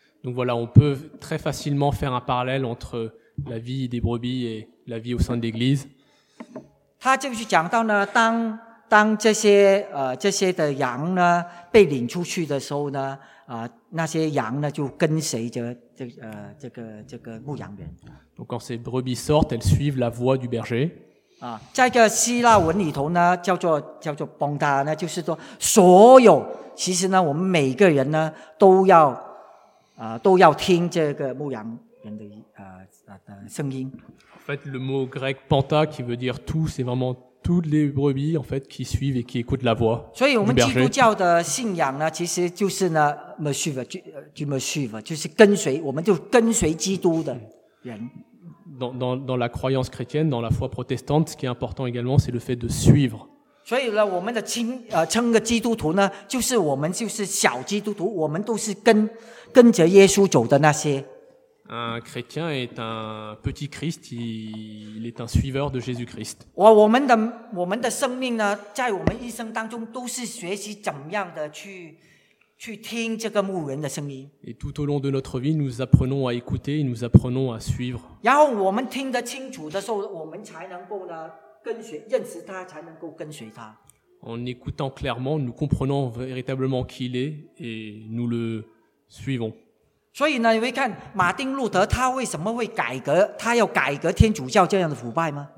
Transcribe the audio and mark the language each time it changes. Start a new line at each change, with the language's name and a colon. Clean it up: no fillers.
French: Donc voilà, on peut très facilement faire un parallèle entre la vie des brebis et la vie au sein de l'Église.
Chinese: 他就是讲到呢，当这些的羊呢被领出去的时候呢，那些羊呢就跟随着。这个牧羊人。
French: Donc quand ces brebis sortent, elles suivent la voie du berger.
Chinese: 啊，在这个希腊文里头呢，叫做 ponta 呢，就是说所有，其实呢，我们每个人呢都要听这个牧羊人的声音。
French: En fait, le mot grec ponta qui veut dire tout, c'est vraiment toutes les brebis en fait qui suivent et qui écoutent la voix.
Chinese: 所以我们基督教的信仰呢，其实就是呢。
French: Me suivre, tu me suivre,
Chinese: 就是跟随，我们就跟随基督的人。
French: Dans la croyance chrétienne, dans la foi protestante, ce qui est important également, c'est le fait de suivre.
Chinese: 所以呢，我们的称个基督徒呢，就是我们就是小基督徒，我们都是跟着耶稣走的那些。
French: Un chrétien est un petit Christ, il est un suiveur de Jésus-Christ.
Chinese: 我们的生命呢，在我们一生当中都是学习怎么样的去听这个牧人的声音。
French: Et tout au long de notre vie, nous apprenons à écouter et nous apprenons à suivre.
Chinese: 然后我们听得清楚的时候，我们才能够呢跟随认识他，才能够跟随他。
French: En écoutant clairement, nous comprenons véritablement qui il est et nous le suivons.
Chinese: 所以呢，你会看马丁路德他为什么会改革，他要改革天主教这样的腐败吗